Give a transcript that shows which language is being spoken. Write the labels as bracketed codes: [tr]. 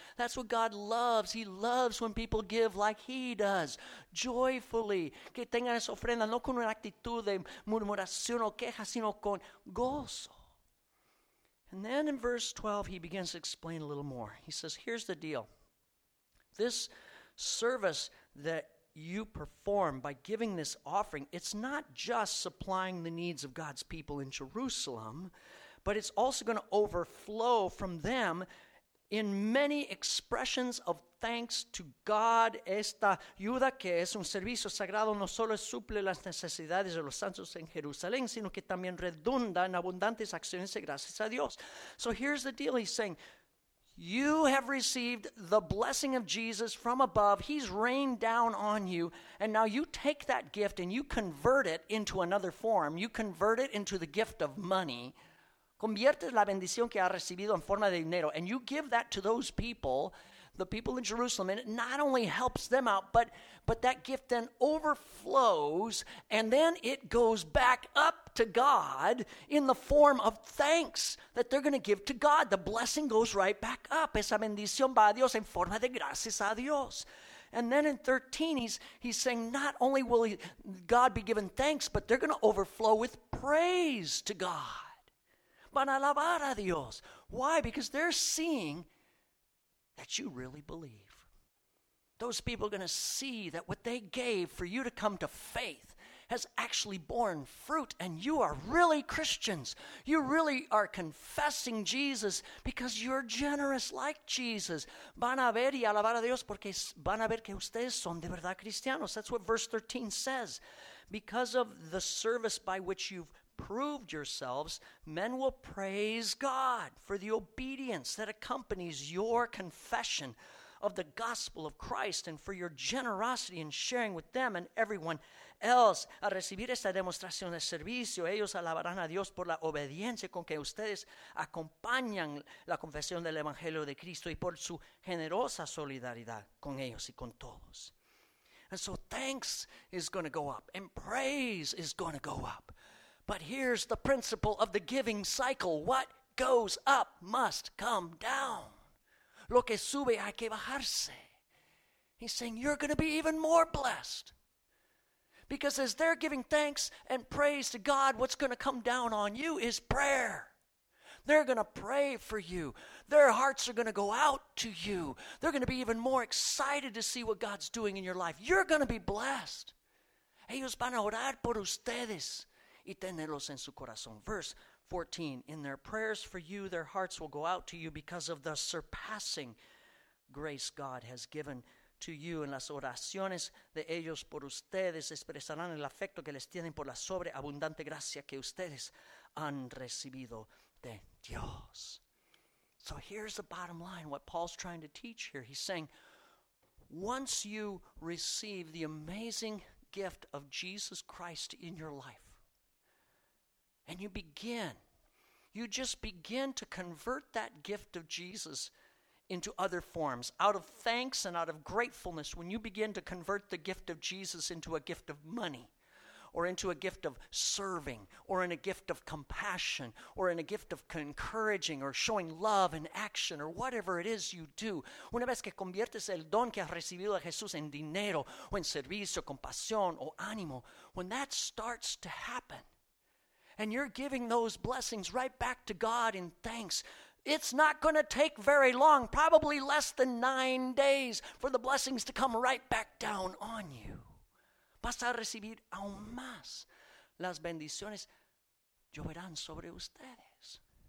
[en] That's what God loves. He loves when people give like he does, joyfully. [es] Que tengan esa ofrenda no con una actitud de murmuración o queja, sino con gozo. [en] And then in verse 12, he begins to explain a little more. He says, here's the deal. This service that you perform by giving this offering, it's not just supplying the needs of God's people in Jerusalem, but it's also going to overflow from them in many expressions of thanks to God. [es] Esta ayuda que es un servicio sagrado no solo suple las necesidades de los santos en Jerusalén, sino que también redunda en abundantes acciones de gracias a Dios. [en] So here's the deal, he's saying, you have received the blessing of Jesus from above. He's rained down on you. And now you take that gift and you convert it into another form. You convert it into the gift of money. [es] Conviertes la bendición que ha recibido en forma de dinero, [en] and you give that to those people, the people in Jerusalem, and it not only helps them out, but that gift then overflows, and then it goes back up to God in the form of thanks that they're going to give to God. The blessing goes right back up. [es] Esa bendición va a Dios en forma de gracias a Dios. [en] And then in 13, he's saying not only will God be given thanks, but they're going to overflow with praise to God. [es] Van a alabar a Dios. [en] Why? Because they're seeing that you really believe. Those people are going to see that what they gave for you to come to faith has actually borne fruit, and you are really Christians. You really are confessing Jesus because you're generous like Jesus. [es] Van a ver y alabar a Dios porque van a ver que ustedes son de verdad cristianos. [en] That's what verse 13 says. Because of the service by which you've proved yourselves, men will praise God for the obedience that accompanies your confession of the gospel of Christ and for your generosity in sharing with them and everyone else. [es] Al recibir esta demostración de servicio, ellos alabarán a Dios por la obediencia con que ustedes acompañan la confesión del Evangelio de Cristo y por su generosa solidaridad con ellos y con todos. [en] And so thanks is going to go up and praise is going to go up. But here's the principle of the giving cycle. What goes up must come down. [es] Lo que sube hay que bajarse. [en] He's saying you're going to be even more blessed. Because as they're giving thanks and praise to God, what's going to come down on you is prayer. They're going to pray for you. Their hearts are going to go out to you. They're going to be even more excited to see what God's doing in your life. You're going to be blessed. [es] Ellos van a orar por ustedes y tenerlos en su corazón. [en] Verse 14, in their prayers for you, their hearts will go out to you because of the surpassing grace God has given to you. [es] En las oraciones de ellos por ustedes expresarán el afecto que les tienen por la sobreabundante gracia que ustedes han recibido de Dios. [en] So here's the bottom line, what Paul's trying to teach here. He's saying, once you receive the amazing gift of Jesus Christ in your life, and you just begin to convert that gift of Jesus into other forms. Out of thanks and out of gratefulness, when you begin to convert the gift of Jesus into a gift of money, or into a gift of serving, or in a gift of compassion, or in a gift of encouraging, or showing love in action, or whatever it is you do. [es] Una vez que conviertes el don que has recibido de Jesús en dinero, o en servicio, compasión, o ánimo, [en] when that starts to happen, and you're giving those blessings right back to God in thanks, it's not going to take very long, probably less than 9 days, for the blessings to come right back down on you. [es] Vas a recibir aún más. Las bendiciones lloverán sobre ustedes.